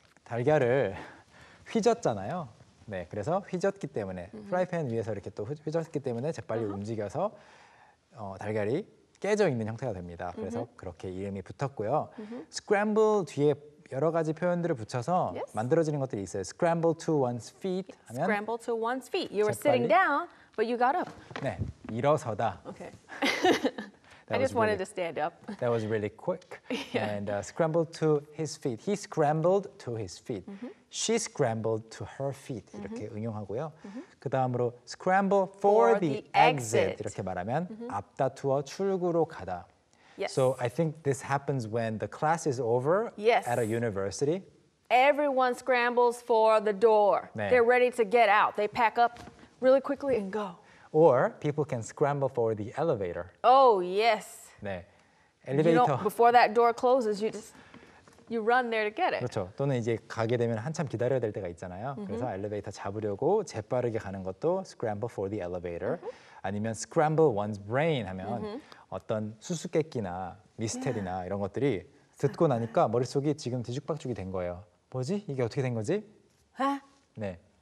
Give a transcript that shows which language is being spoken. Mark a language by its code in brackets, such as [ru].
[ko] 달걀을 휘젓잖아요. 네, 그래서 휘젓기 때문에 프라이팬 mm-hmm. 위에서 이렇게 또 휘젓기 때문에 재빨리 uh-huh. 움직여서 달걀이 깨져 있는 형태가 됩니다. 그래서 mm-hmm. 그렇게 이름이 붙었고요. Mm-hmm. Scramble 뒤에 여러 가지 표현들을 붙여서 [en] yes. [ko] 만들어지는 것들이 있어요. [en] Scramble to one's feet. 하면 Scramble to one's feet. You were sitting down, but you got up. [ko] 네, 일어서다. [en] Okay. I just wanted to stand up. That was really quick. Yeah. And scrambled to his feet. He scrambled to his feet. Mm-hmm. She scrambled to her feet. [ko] 이렇게 mm-hmm. 응용하고요. [en] Mm-hmm. [ko] 그 다음으로 [en] scramble for the exit. [ko] 이렇게 말하면 mm-hmm. 앞다투어 출구로 가다. [en] Yes. So I think this happens when the class is over yes. at a university. Everyone scrambles for the door. [ko] 네. [en] They're ready to get out. They pack up really quickly and go. Or people can scramble for the elevator. Oh, yes. [ko] 네. Elevator. [en] You know, before that door closes, you run there to get it. [ko] 그렇죠. 또는 이제 가게 되면 한참 기다려야 될 때가 있잖아요. Mm-hmm. 그래서 엘리베이터 잡으려고 재빠르게 가는 것도 [en] scramble for the elevator. [ko] Mm-hmm. 아니면 [en] scramble one's brain [ko] 하면 mm-hmm. 어떤 수수께끼나 미스테리나 yeah. 이런 것들이 듣고 나니까 머릿속이 지금 뒤죽박죽이 된 거예요. 뭐지? 이게 어떻게 된 거지? 네.